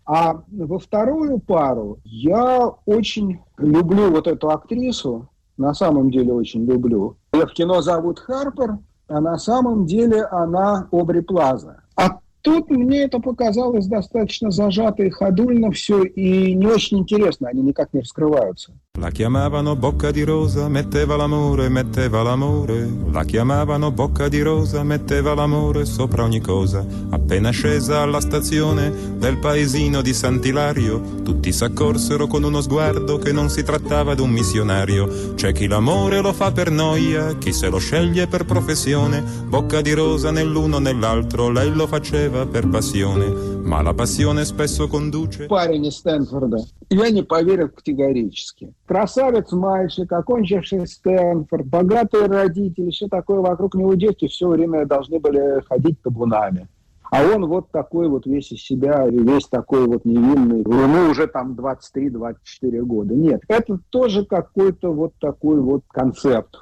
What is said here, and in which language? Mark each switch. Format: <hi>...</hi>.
<ru>А во вторую пару я очень люблю вот эту актрису. На самом деле очень люблю. Ее в кино зовут Харпер, а на самом деле она Обри Плаза. А тут мне это показалось достаточно зажато и ходульно все, и не очень интересно, они никак не раскрываются.</ru> <it>La chiamavano bocca di rosa, metteva l'amore, metteva l'amore. La chiamavano bocca di rosa, metteva l'amore sopra ogni cosa. Appena scesa alla stazione del paesino di Sant'Ilario, tutti s'accorsero con uno sguardo che non si trattava di un missionario. C'è chi l'amore lo fa per noia, chi se lo sceglie per professione. Bocca di rosa nell'uno nell'altro, lei lo faceva per passione. Ma la passione spesso conduce. Parini Stanforda.</it> <ru>Я не поверил категорически. Красавец мальчик, окончивший Стэнфорд, богатые родители, все такое вокруг него, дети все время должны были ходить табунами. А он вот такой вот весь из себя, весь такой вот невинный. Ему уже там 23-24 года. Нет, это тоже какой-то вот такой вот концепт.</ru>